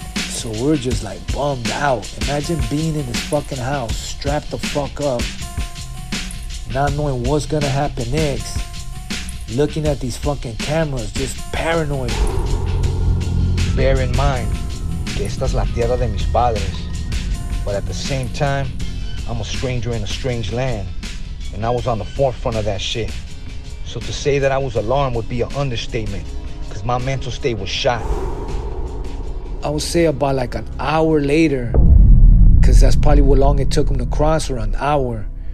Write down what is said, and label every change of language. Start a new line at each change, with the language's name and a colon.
English: So we're just like bummed out. Imagine being in this fucking house, strapped the fuck up, not knowing what's going to happen next, looking at these fucking cameras, just paranoid. Bear in mind,
Spanish: que esta es la tierra de mis padres.
English: But at the same time, I'm a stranger in a strange land. And I was on the forefront of that shit. So to say that I was alarmed would be an understatement, because my mental state was shot. I would say about like an hour later, because that's probably how long it took him to cross, or an hour.